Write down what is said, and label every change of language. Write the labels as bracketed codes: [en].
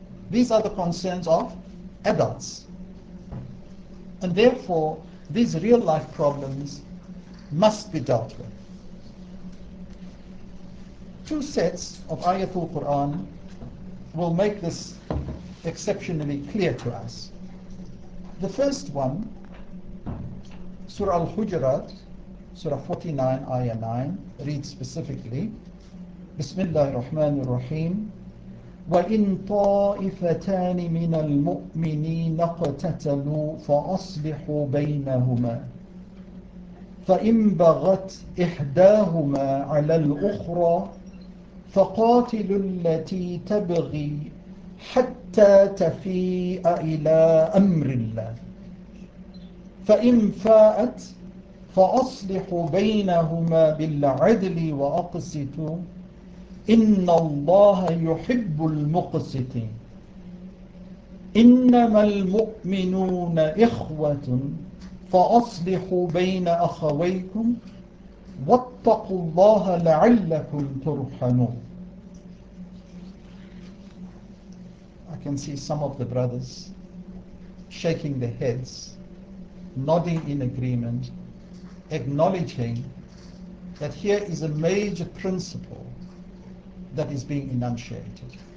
[en] These are the concerns of adults. And therefore, these real life problems must be dealt with. Two sets of Ayatul Quran will make this exceptionally clear to us. The first one, Surah Al-Hujurat, Surah 49, Ayah 9, reads specifically, Bismillah ar-Rahman ar-Rahim, [ar] وَإِن طَائِفَتَانِ مِنَ الْمُؤْمِنِينَ اقْتَتَلُوا فَأَصْلِحُوا بَيْنَهُمَا فَإِن بَغَتْ إِحْدَاهُمَا عَلَى الْأُخْرَى فَقَاتِلُوا الَّتِي تَبْغِي حتى تفيء إلى أمر الله فإن فاءت فأصلحوا بينهما بالعدل وأقسطوا إن الله يحب المقسطين إنما المؤمنون إخوة فأصلحوا بين أخويكم واتقوا الله لعلكم ترحمون. [en] I can see some of the brothers shaking their heads, nodding in agreement, acknowledging that here is a major principle that is being enunciated.